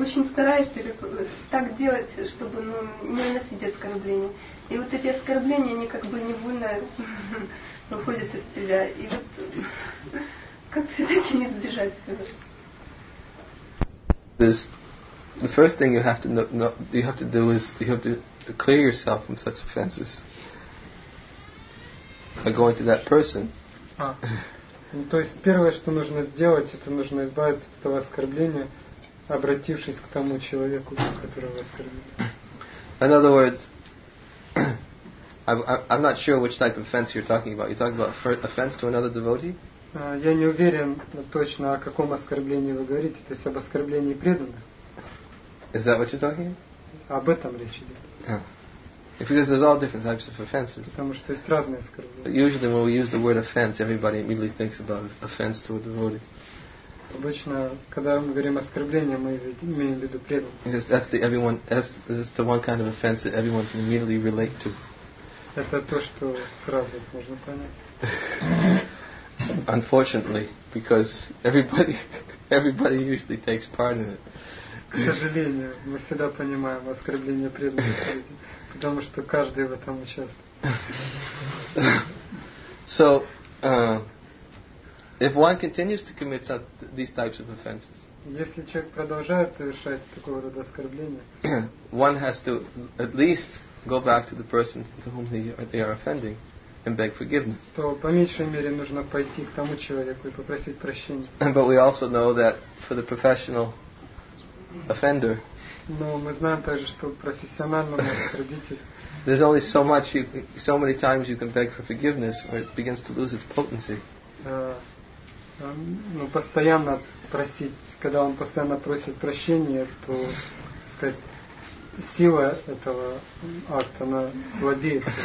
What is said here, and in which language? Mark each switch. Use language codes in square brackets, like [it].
[ru] Стараешься так делать, чтобы не носить оскорбления. И вот эти оскорбления, они как бы невольно выходят из тебя. И вот как все-таки не сбежать всего? [en] The first thing you have to do is you have to clear yourself from such offenses by going to that person. [ru] То есть первое, что нужно сделать, это нужно избавиться от этого оскорбления, обратившись к тому человеку, которого оскорбили. [en] In other words, I'm not sure which type of offense you're talking about. You're talking about offense to another devotee? [ru] Я не уверен точно, о каком оскорблении вы говорите, то есть об оскорблении преданных. [en] Is that what you're talking about? [ru] Об этом речь идет. [en] Yeah. Because there's all different types of offenses. [ru] Потому что есть разные оскорбления. [en] Usually when we use the word offense, everybody immediately thinks about offense to a devotee. [ru] Обычно, когда мы говорим оскорбление, мы имеем в виду преданных. [en] Yes, that's the one kind of offense that everyone can immediately relate to. [ru] Это то, что сразу можно понять. [en] Unfortunately, because everybody usually takes part in it. [ru] К сожалению, мы всегда понимаем оскорбление преданных, потому что каждый в этом участвует. [en] So, if one continues to commit these types of offenses, [ru] если человек продолжает совершать такого рода оскорбления, [en] one has to at least go back to the person to whom they are offending and beg forgiveness. [ru] То по меньшей мере нужно пойти к тому человеку и попросить прощения. [en] But we also know that for the professional offender, [ru] но мы знаем также, что профессиональному оскорбителю, [en] there's only so many times you can beg for forgiveness where it begins to lose its potency. [ru] Ну, постоянно просить, когда он постоянно просит прощения, то, так сказать, сила этого акта, она слабеет.